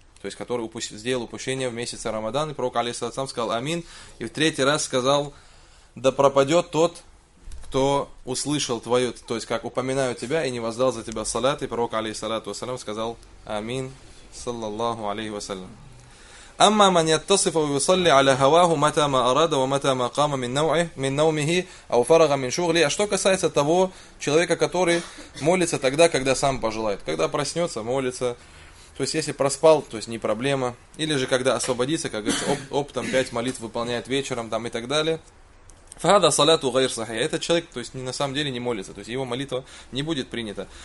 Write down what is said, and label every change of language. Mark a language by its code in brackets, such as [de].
[ru] То есть, который сделал упущение в месяц Рамадан. И пророк, алейхиссалям, сказал амин. И в третий раз сказал, да пропадет тот, кто услышал твою, то есть как упоминаю тебя и не воздал за тебя салят, и пророк, алейхиссалату вассалям, сказал амин, саллаллаху алейхи вассалям. [ar] أما من يتصف ويصلي على هواه متى ما أراد ومتى ما قام من نوعه من نومه أو فرغ من شغله. [ru] А что касается того человека, который молится тогда, когда сам пожелает, когда проснется, молится. То есть, если проспал, то есть не проблема. Или же когда освободится, как говорится, оптом 5 молитв выполняет вечером там и так далее. [ar] Фада салату гайр сахия. [ru] Этот человек, то есть, на самом деле не молится. То есть, его молитва не будет принята.